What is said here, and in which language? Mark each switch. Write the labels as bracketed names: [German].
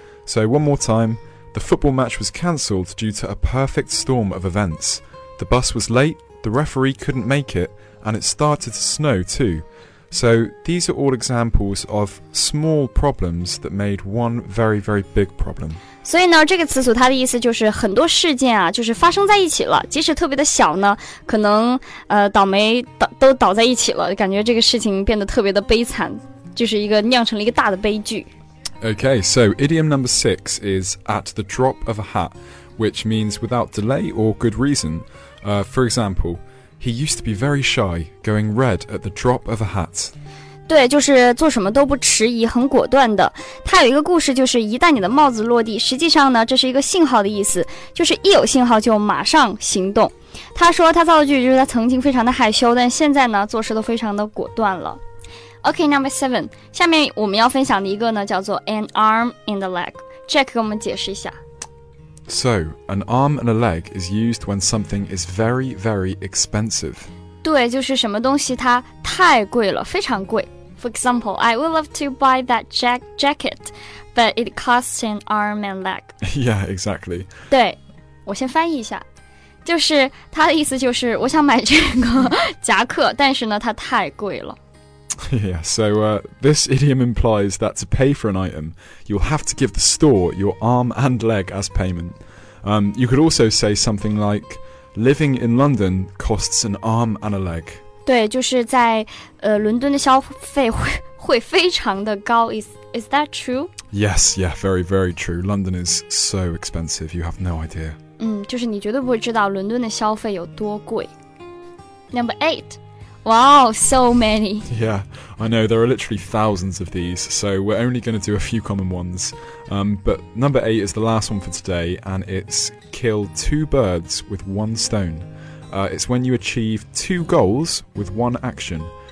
[English] So one more time, the football match was cancelled due to a perfect storm of events. The bus was late, the referee couldn't make it, and it started to snow too. So these are all examples of small problems that made one very, very big problem. [Chinese] 所以呢，这个词组它的意思就是很多事件啊，就是发生在一起了，即使特别的小呢，可能倒霉都倒在一起了，感觉这个事情变得特别的悲惨，就是一个酿成了一个大的悲剧。 [English] Okay, so idiom number six is at the drop of a hat, which means without delay or good reason. For example, he used to be very shy, going red at the drop of a hat. [Chinese] 对，就是做什么都不迟疑，很果断的。他有一个故事，就是一旦你的帽子落地，实际上呢，这是一个信号的意思，就是一有信号就马上行动。他说他造的句就是他曾经非常的害羞，但现在呢，做事都非常的果断了。 [English] OK, number seven. [Chinese] 下面我们要分享的一个呢叫做 [English] an arm and a leg. [Chinese] Jack 给我们解释一下。 [English] So, an arm and a leg is used when something is very, very expensive. [Chinese] 对，就是什么东西它太贵了，非常贵。 [English] For example, I would love to buy that jacket, but it costs an arm and leg. Yeah, exactly. [Chinese] 对，我先翻译一下。就是它的意思就是我想买这个夹克，但是呢它太贵了。 [English] Yeah, so this idiom implies that to pay for an item, you'll have to give the store your arm and leg as payment. You could also say something like, living in London costs an arm and a leg. [Chinese] 对，就是在伦敦的消费 会非常的高。 [English] Is that true? Yes, yeah, very, very true. London is so expensive, you have no idea. [Chinese] 嗯，就是你绝对不会知道伦敦的消费有多贵。 [English] Number eight. Wow, so many. Yeah, I know, there are literally thousands of these, so we're only going to do a few common ones. But number eight is the last one for today, and it's kill two birds with one stone. It's when you achieve two goals with one action.